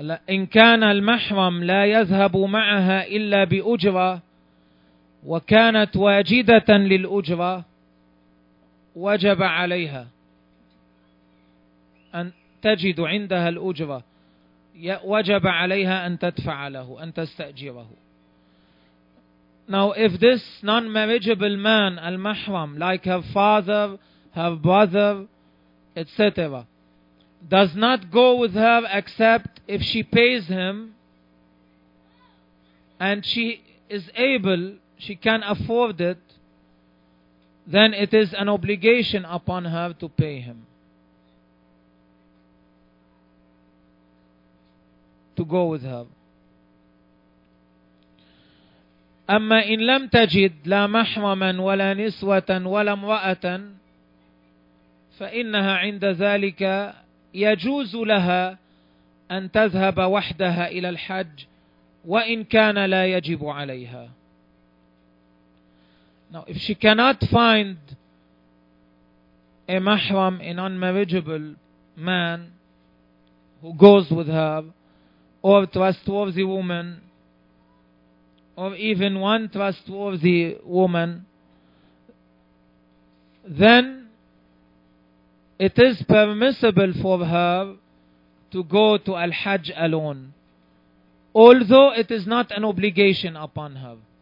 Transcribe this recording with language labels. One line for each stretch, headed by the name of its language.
Arabic: إن كان المحرم لا يذهب معها إلا بأجرة وكانت واجدة للأجرة وجب عليها أن تجد عندها الأجرة وجب عليها أن تدفع له أن تستأجره.
English: Now if this non-marriageable man, المحرم, like her father, her brother, etc., does not go with her except if she pays him and she is able, she can afford it, then it is an obligation upon her to pay him. to go with her.
Arabic: أما إن لم تجد لا محرما ولا نسوة ولا امرأة فإنها عند ذلك يجوز لها أن تذهب وحدها إلى الحج وإن كان لا يجب عليها.
English: Now if she cannot find a mahram, an unmarriageable man who goes with her, or trustworthy woman, or even one trustworthy woman, then it is permissible for her to go to Al-Hajj alone, although it is not an obligation upon her.